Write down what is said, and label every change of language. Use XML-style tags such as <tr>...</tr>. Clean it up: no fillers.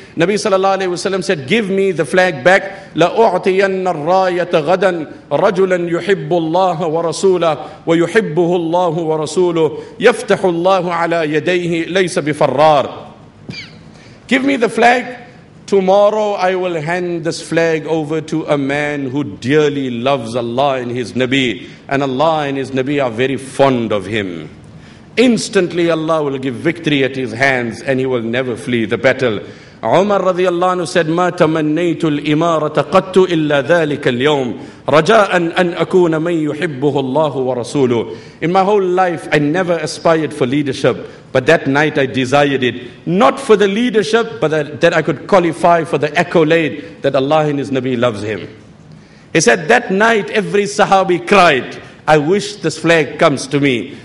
<en>Nabi sallallahu alayhi wasallam said, give me the flag back.</en> <ar>لَأُعْتِيَنَّ الرَّايَةَ غَدًا رَجُلًا يُحِبُّ اللَّهَ وَرَسُولَهُ وَيُحِبُّهُ اللَّهُ وَرَسُولُهُ يَفْتَحُ اللَّهُ عَلَى يَدَيْهِ لَيْسَ بِفَرَّارِ.</ar> <en>Give me the flag. Tomorrow I will hand this flag over to a man who dearly loves Allah and his Nabi, and Allah and his Nabi are very fond of him. Instantly Allah will give victory at his hands and he will never flee the battle. Umar radiallahu anhu said,</en> <ar>مَا تَمَنَّيْتُ الْإِمَارَةَ قَتُّ إِلَّا ذَلِكَ الْيَوْمِ رَجَاءً أَنْ أَكُونَ مَنْ يُحِبُّهُ اللَّهُ وَرَسُولُهُ.</ar> <en>In my whole life I never aspired for leadership, but that night I desired it. Not for the leadership, but that I could qualify for the accolade that Allah and his Nabi loves him. He said that night every Sahabi cried, I wish this flag comes to me.</en>